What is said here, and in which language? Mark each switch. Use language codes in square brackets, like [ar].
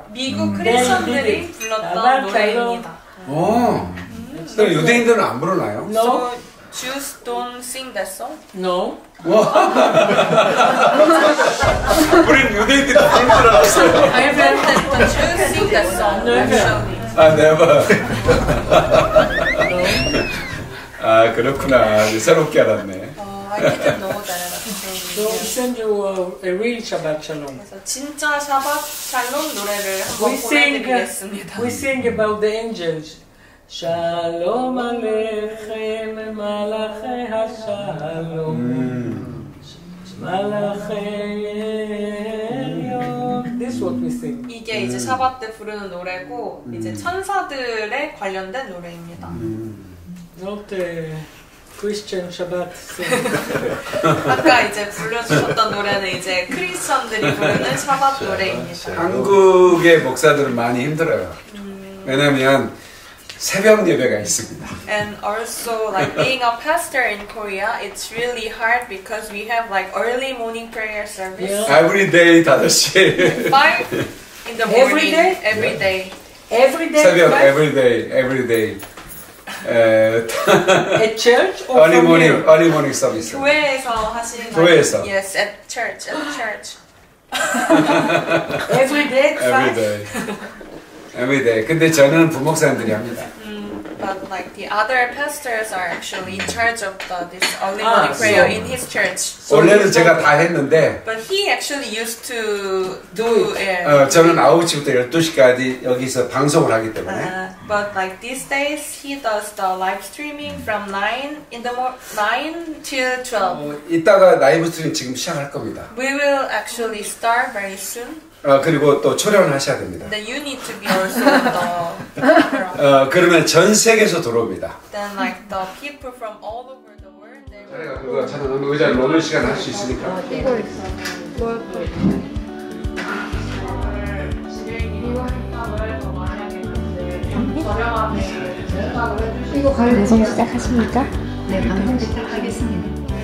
[ko] 미국 크리스천들이 불렀던 노래입니다. 오, 그럼 유대인들은 안 부르나요? [en] No. Jews don't sing that song? No. [ko] 우린 유대인들이 부른 줄 알았어. [en] I have heard that the Jews sing that song. No, actually. Never. [ko] 아, 그렇구나. 새롭게 알았네. [en] I didn't know that. So we send you a real Shabbat Shalom. [ko] 진짜 Shabbat Shalom 노래를 보내드리겠습니다. [en] We sing about the angels. [he] Shalom Aleichem, Malachei HaShalom, Malachei Elyon. [en] This is what we sing. [ko] 이게 이제 샤밧 때 부르는 노래고 이제 천사들에 관련된 노래입니다. [en] Not a Christian Shabbat song. [ko] 아까 이제 불러주셨던 노래는 이제 크리스천들이 부르는 샤밧 노래입니다. 한국의 목사들은 많이 힘들어요. 왜냐면 새벽 예배가 있습니다. [en] And also like being a pastor in Korea, it's really hard because we have like early morning prayer service. Yeah. Every day 5시. 5 in the morning. Every day. Every yeah. day. Every day. [ko] 새벽 5? [en] Every day. Every day. at church or early morning? You? Early morning service. [ko] 교회에서 하시는 거예요? 교회에서. [en] Like, yes, at church. At church. Every day. Every day. Every day. [ko] 근데 저는 부목사님들이 합니다. [en] But like the other pastors are actually in charge of the, this early morning prayer in his church. [ko] 원래는 제가 다 했는데. [en] But he actually used to do it. [ko] 저는 9시부터 12시까지 여기서 방송을 하기 때문에. [en] But like these days, he does the live streaming from 9 till 12. [ko] 이따가 라이브 스트리밍 지금 시작할 겁니다. [en] We will actually start very soon. [ko] 그리고 또 촬영을 하셔야 됩니다. [en] Then you need to be also the camera. [ko] 그러면 전 세계에서 들어옵니다. [en] Then like the people from all over the world. [ko] 자리가 그거 차는 너무 의자를 놓는 시간 할 수 있으니까. 이거 있어. 뭐였어? 이거 가요 방송 시작하십니까? 네, 방송 시작하겠습니다.